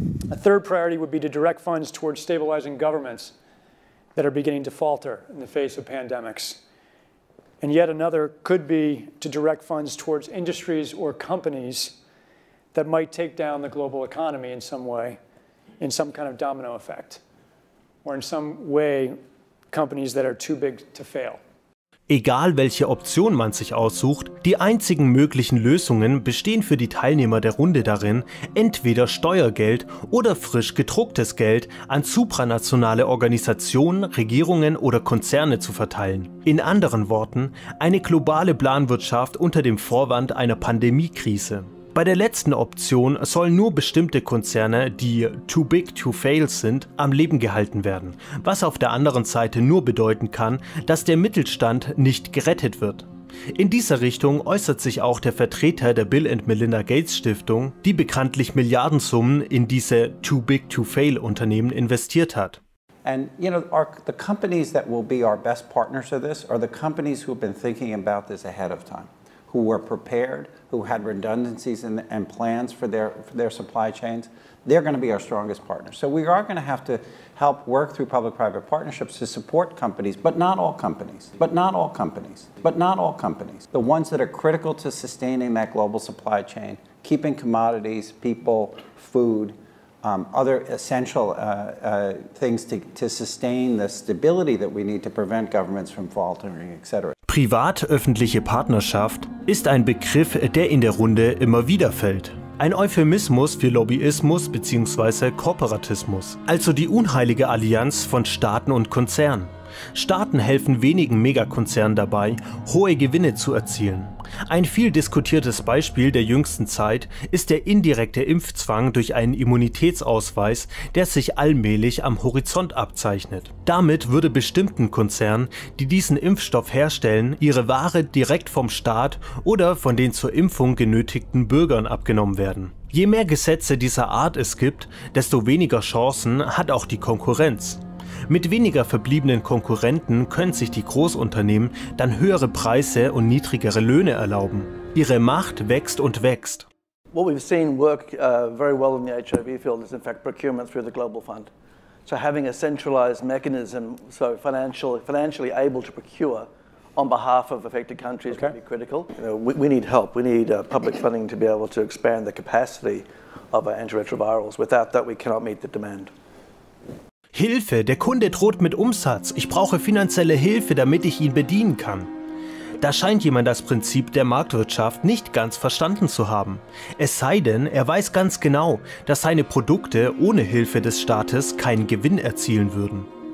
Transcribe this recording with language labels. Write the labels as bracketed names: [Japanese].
[English] A third priority would be to direct funds towards stabilizing governments that are beginning to falter in the face of pandemics. And yet another could be to direct funds towards industries or companies that might take down the global economy in some way, in some kind of domino effect, or in some way, companies that are too big to fail. [German] Egal, welche Option man sich aussucht, die einzigen möglichen Lösungen bestehen für die Teilnehmer der Runde darin, entweder Steuergeld oder frisch gedrucktes Geld an supranationale Organisationen, Regierungen oder Konzerne zu verteilen. In anderen Worten, eine globale Planwirtschaft unter dem Vorwand einer Pandemiekrise. Bei der letzten Option sollen nur bestimmte Konzerne, die [English] too big to fail [German] sind, am Leben gehalten werden, was auf der anderen Seite nur bedeuten kann, dass der Mittelstand nicht gerettet wird. In dieser Richtung äußert sich auch der Vertreter der Bill & Melinda Gates Stiftung, die bekanntlich Milliardensummen in diese [English] too big to fail [German] Unternehmen investiert hat. [English] And you know, the companies that will be our best partners for this are the companies who have been thinking about this ahead of time. Who were prepared, who had redundancies and plans for their supply chains, they're going to be our strongest partners. So we are going to have to help work through public-private partnerships to support companies, but not all companies, but not all companies, but not all companies. The ones that are critical to sustaining that global supply chain, keeping commodities, people, food, other essential things to sustain the stability that we need to prevent governments from faltering, etc. [German] Privat-öffentliche Partnerschaft ist ein Begriff, der in der Runde immer wieder fällt. Ein Euphemismus für Lobbyismus bzw. Korporatismus, also die unheilige Allianz von Staaten und Konzernen. Staaten helfen wenigen Megakonzernen dabei, hohe Gewinne zu erzielen. Ein viel diskutiertes Beispiel der jüngsten Zeit ist der indirekte Impfzwang durch einen Immunitätsausweis, der sich allmählich am Horizont abzeichnet. Damit würde bestimmten Konzernen, die diesen Impfstoff herstellen, ihre Ware direkt vom Staat oder von den zur Impfung genötigten Bürgern abgenommen werden. Je mehr Gesetze dieser Art es gibt, desto weniger Chancen hat auch die Konkurrenz. Mit weniger verbliebenen Konkurrenten können sich die Großunternehmen dann höhere Preise und niedrigere Löhne erlauben. Ihre Macht wächst und wächst. [English] What we've seen work very well in the HIV field is in fact procurement through the Global Fund. So having a centralized mechanism, so financially able to procure on behalf of affected countries would be critical. You know, we need help. We need public funding to be able to expand the capacity of our antiretrovirals. Without that we cannot meet the demand. [German] Hilfe, der Kunde droht mit Umsatz. Ich brauche finanzielle Hilfe, damit ich ihn bedienen kann. Da scheint jemand das Prinzip der Marktwirtschaft nicht ganz verstanden zu haben. Es sei denn, er weiß ganz genau, dass seine Produkte ohne Hilfe des Staates keinen Gewinn erzielen würden.